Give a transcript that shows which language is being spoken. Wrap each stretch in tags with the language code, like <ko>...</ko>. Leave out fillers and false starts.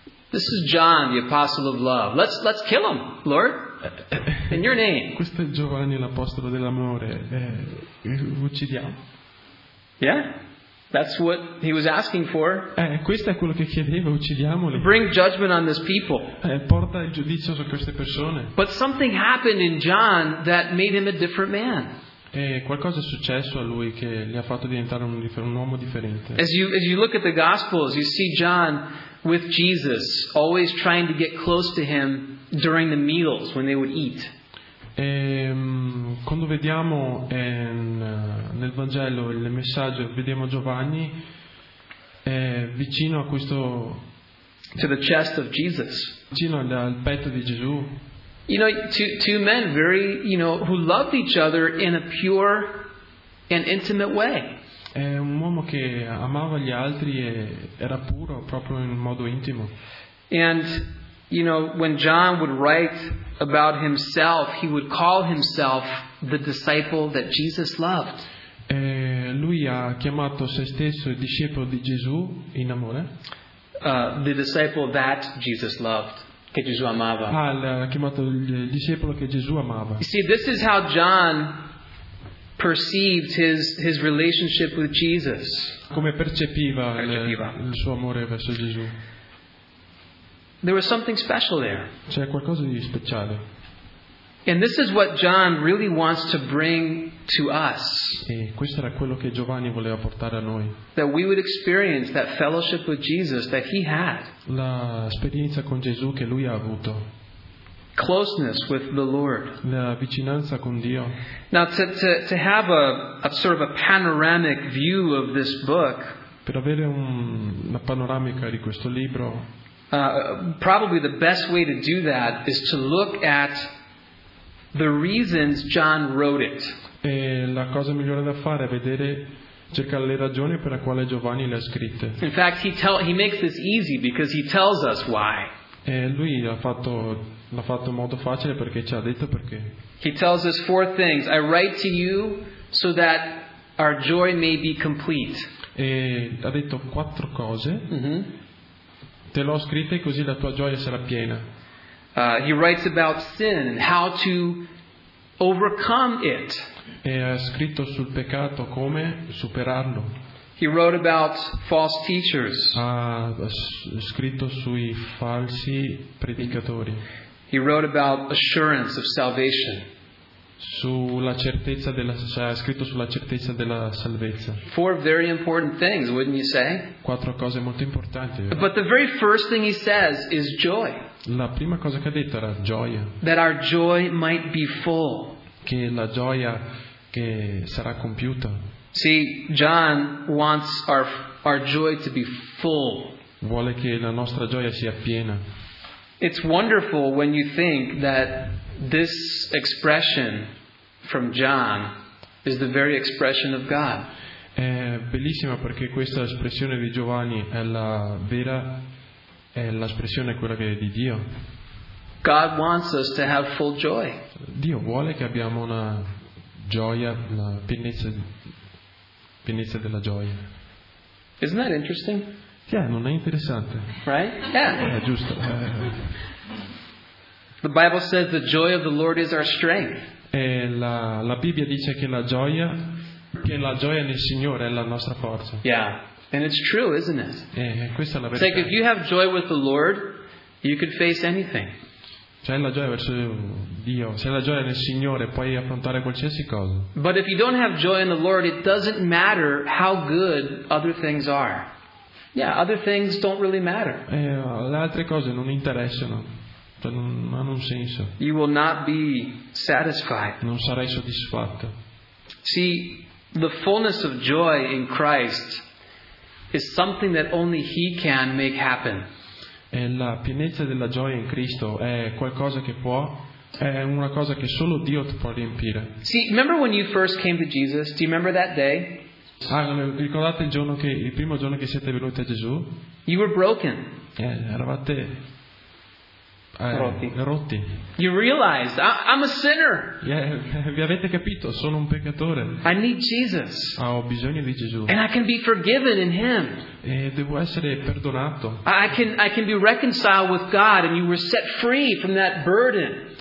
<en>This is John, the apostle of love. Let's kill him, Lord, in your name.</en> <it>Questo è Giovanni, l'apostolo dell'amore. Uccidiamo.</it> <en>Yeah. That's what he was asking for.</en> <it>Questo è quello che chiedeva, uccidiamoli.</it> <en>Bring judgment on this people.</en> <it>Porta il giudizio su queste persone.</it> <en>But something happened in John that made him a different man.</en> <it>Qualcosa è successo a lui che gli ha fatto diventare un uomo differente.</it> <en>As you look at the Gospels, you see John with Jesus, always trying to get close to him during the meals when they would eat.</en> <it>Quando vediamo nel Vangelo il messaggio, vediamo Giovanni vicino a questo,</it> <en>to the chest of Jesus,</en> <it>vicino al petto di Gesù.</it> <en>You know, two men very, you know, who loved each other in a pure and intimate way.</en> <it>È un uomo che amava gli altri e era puro proprio in modo intimo.</it> <en>And you know, when John would write about himself, he would call himself the disciple that Jesus loved.</en> <it>Lui ha chiamato se stesso il discepolo di Gesù in amore.</it> <en>The disciple that Jesus loved,</en> <it>che Gesù amava. Ha chiamato il discepolo che Gesù amava.</it> <en>You see, this is how John perceived his relationship with Jesus.</en> <it>Come percepiva il suo amore verso Gesù.</it> <en>There was something special there.</en> <it>C'è qualcosa di speciale.</it> <en>And this is what John really wants to bring to us.</en> <it>E questo era quello che Giovanni voleva portare a noi.</it> <en>That we would experience that fellowship with Jesus that he had.</en> <it>La esperienza con Gesù che lui ha avuto.</it> <en>Closeness with the Lord.</en> <it>La vicinanza con Dio.</it> <en>Now to have a sort of a panoramic view of this book.</en> <it>Per avere una panoramica di questo libro.</it> <en>Probably the best way to do that is to look at the reasons John wrote it.</en> <it>E la cosa migliore da fare è vedere, cercare le ragioni per la quale Giovanni le ha scritte.</it> <en>In fact, he makes this easy because he tells us why.</en> <it>E lui l'ha fatto in modo facile perché ci ha detto perché.</it> <en>He tells us four things. I write to you so that our joy may be complete.</en> <it>E ha detto quattro cose. Te l'ho scritta e così la tua gioia sarà piena.</it> <en>He writes about sin and how to overcome it.</en> <it>E ha scritto sul peccato, come superarlo.</it> <en>He wrote about false teachers.</en> <it>Ha scritto sui falsi predicatori.</it> <en>He wrote about assurance of salvation.</en> <it>sulla certezza della, cioè, scritto sulla certezza della salvezza.</it> <en>Four very important things, wouldn't you say?</en> <it>Quattro cose molto importanti.</it> <en>But the very first thing he says is joy.</en> <it>La prima cosa che ha detto era gioia.</it> <en>That our joy might be full.</en> <it>Che la gioia che sarà compiuta.</it> <en>See, John wants our joy to be full.</en> <it>Vuole che la nostra gioia sia piena.</it> <en>It's wonderful when you think that this expression from John is the very expression of God.</en> <it>È bellissima perché questa espressione di Giovanni è la vera, è l'espressione quella che è di Dio.</it> <en>God wants us to have full joy.</en> <it>Dio vuole che abbiamo una gioia, la pienezza, pienezza della gioia.</it> <en>Isn't that interesting?</en> <it>Yeah, non è interessante.</it> <en>Right? Yeah.</en> <it>È giusto.</it> <en>The Bible says the joy of the Lord is our strength.</en> <it>E la Bibbia dice che la gioia nel Signore è la nostra forza.</it> <en>Yeah. And it's true, isn't it?</en> <it>E questa è la verità.</it> <en>It's like if you have joy with the Lord, you can face anything.</en> <it>Cioè la gioia verso Dio, se la gioia nel Signore puoi affrontare qualsiasi cosa.</it> <en>But if you don't have joy in the Lord, it doesn't matter how good other things are. Yeah, other things don't really matter.</en> <it>Le altre cose non interessano, cioè non hanno un senso.</it> <en>You will not be satisfied.</en> <it>Non sarai soddisfatto.</it> <en>See, the fullness of joy in Christ is something that only He can make happen.</en> <it>E la pienezza della gioia in Cristo è qualcosa che può, è una cosa che solo Dio ti può riempire.</it> <en>See, remember when you first came to Jesus? Do you remember that day?</en> <it>Ah, ricordate il primo giorno che siete venuti a Gesù?</it> <en>You were broken.</en> <it>Eravate rotti.</it> <en>You realized I'm a sinner.</en> <it>Yeah, vi avete capito, sono un peccatore.</it> <en>I need Jesus.</en> <it>Ho bisogno di Gesù.</it> <en>And I can be forgiven in Him.</en> <it>E devo essere perdonato.</it> <en>I can be reconciled with God, and you were set free from that burden.</en>